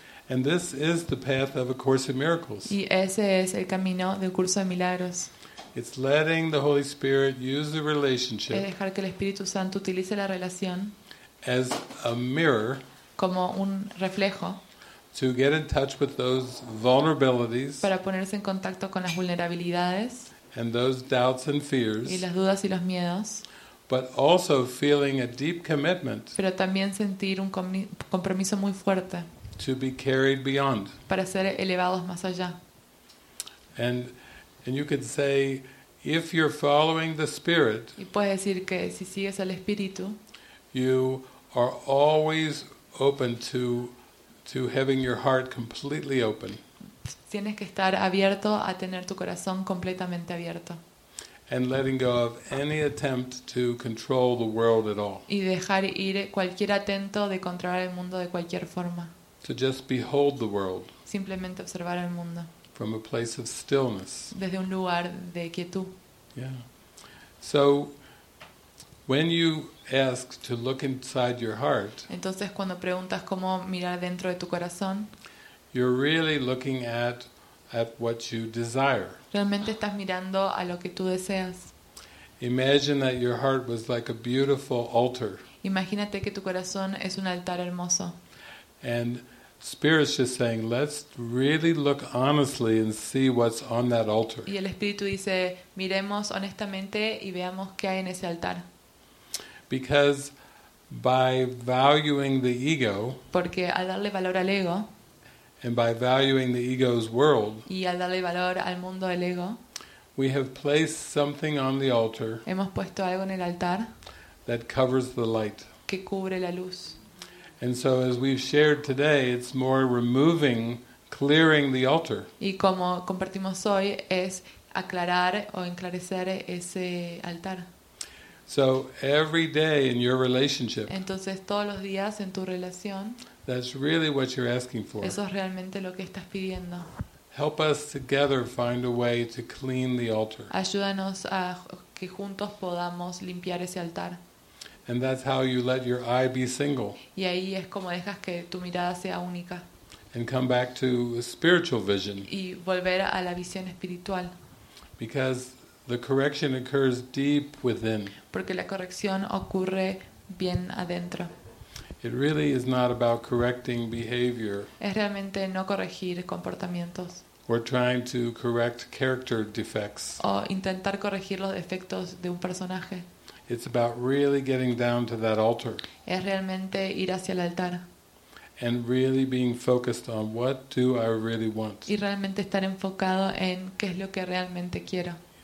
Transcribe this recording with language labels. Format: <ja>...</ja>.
<en>and this is the path of A Course in Miracles,</en> <es>y ese es el camino del curso de milagros.</es> <en>It's letting the Holy Spirit use the relationship,</en> <es>es dejar que el Espíritu Santo utilice la relación,</es> <en>as a mirror,</en> <es>como un reflejo.</es> <en>To get in touch with those vulnerabilities,</en> <es>para ponerse en contacto con las vulnerabilidades,</es> <en>and those doubts and fears,</en> <es>y las dudas y los miedos,</es> <en>but also feeling a deep commitment,</en> <es>pero también sentir un compromiso muy fuerte,</es> <en>to be carried beyond,</en> <es>para ser elevados más allá.</es> <en>And you could say, if you're following the Spirit,</en> <es>y puedes decir que si sigues al Espíritu,</es> <en>you are always open to having your heart completely open.</en> <es>Tienes que estar abierto a tener tu corazón completamente abierto.</es> <en>And letting go of any attempt to control the world at all.</en> <es>Y dejar ir cualquier intento de controlar el mundo de cualquier forma.</es> <en>To just behold the world.</en> <es>Simplemente observar el mundo.</es> <en>From a place of stillness.</en> <es>Desde un lugar de quietud.</es> <en>Yeah. So when you ask to look inside your heart.</en> <es>Entonces cuando preguntas cómo mirar dentro de tu corazón.</es> <en>You're really looking at what you desire.</en> <es>Realmente estás mirando a lo que tú deseas.</es> <en>Imagine that your heart was like a beautiful altar.</en> <es>Imagínate que tu corazón es un altar hermoso.</es> <en>And Spirit's just saying, let's really look honestly and see what's on that altar.</en> <es>Y el Espíritu dice, miremos honestamente y veamos qué hay en ese altar.</es> <en>Because by valuing the ego.</en> <es>Porque al darle valor al ego.</es> <en>And by valuing the ego's world,</en> <es>y al darle valor al mundo del ego,</es> <en>we have placed something on the altar,</en> <es>hemos puesto algo en el altar</es> <en>that covers the light,</en> <es>que cubre la luz.</es> <en>And so as we've shared today, it's more removing, clearing the altar.</en> <es>Y como compartimos hoy, es aclarar o enclarecer ese altar.</es> <en>So every day in your relationship,</en> <es>entonces todos los días en tu relación,</es> <en>that's really what you're asking for.</en> <es>Eso es realmente lo que estás pidiendo.</es> <en>Help us together find a way to clean the altar.</en> <es>Ayúdanos a que juntos podamos limpiar ese altar.</es> <en>And that's how you let your eye be single.</en> <es>Y ahí es como dejas que tu mirada sea única.</es> <en>And come back to a spiritual vision.</en> <es>Y volver a la visión espiritual.</es> <en>Because the correction occurs deep within.</en> <es>Porque la corrección ocurre bien adentro.</es> <en>It really is not about correcting behavior.</en> <es>Es realmente no corregir comportamientos.</es> <en>Or trying to correct character defects.</en> <es>O intentar corregir los defectos de un personaje.</es> <en>It's about really getting down to that altar.</en> <es>Es realmente ir hacia el altar.</es> <en>And really being focused on what do I really want.</en> <es>Y realmente estar enfocado en qué es lo que realmente quiero.</es>